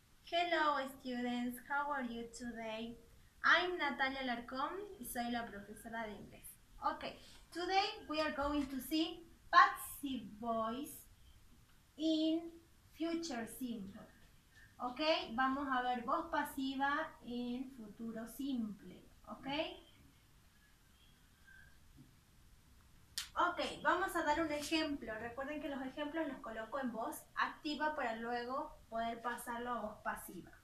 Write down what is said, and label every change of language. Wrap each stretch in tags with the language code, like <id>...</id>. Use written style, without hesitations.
<en>Hello students, how are you today? I'm</en> <es>Natalia Larcón y soy la profesora de inglés.</es> <en>Okay, today we are going to see passive voice in future simple.</en> <es>Okay, vamos a ver voz pasiva en futuro simple. Okay, vamos a dar un ejemplo. Recuerden que los ejemplos los coloco en voz activa para luego poder pasarlo a voz pasiva.</es>